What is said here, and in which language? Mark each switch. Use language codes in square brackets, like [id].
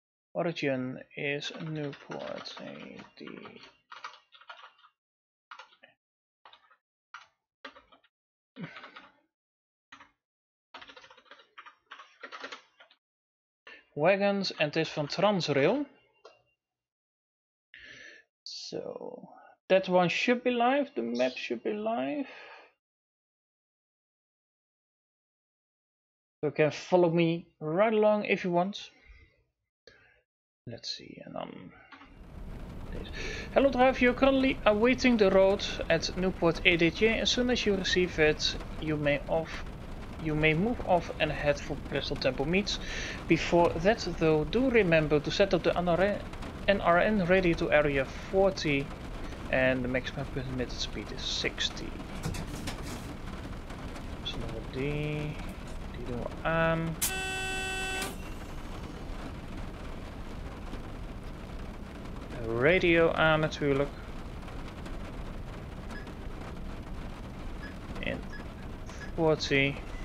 [en] Origin is Newport AD. [nl] Wagons, en het is van Transrail. [en] So, that one should be live, the map should be live. You can follow me right along if you want. Let's see, and then... Hello driver, you're currently awaiting the road at Newport ADJ. As soon as you receive it, you may move off and head for Crystal Temple Meets. Before that though, do remember to set up the NRN radio to area 40 and the maximum permitted speed is 60. [nl] Dus dan hebben we die doen we aan. Radio aan natuurlijk. En 40.